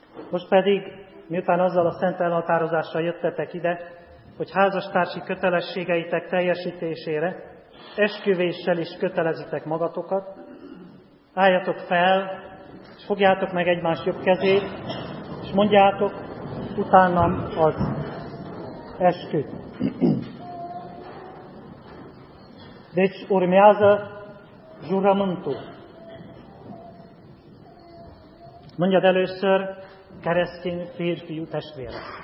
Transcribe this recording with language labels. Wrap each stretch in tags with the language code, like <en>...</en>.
<hu>Most pedig, miután azzal a szent elhatározással jöttetek ide, hogy házastársi kötelességeitek teljesítésére esküvéssel is kötelezitek magatokat, álljatok fel, és fogjátok meg egymás jobb kezét, és mondjátok utánam az esküt.</hu> <ro>Deci urmează jurământul.</ro> <hu>Mondjad először, keresztény férfiú testvére.</hu>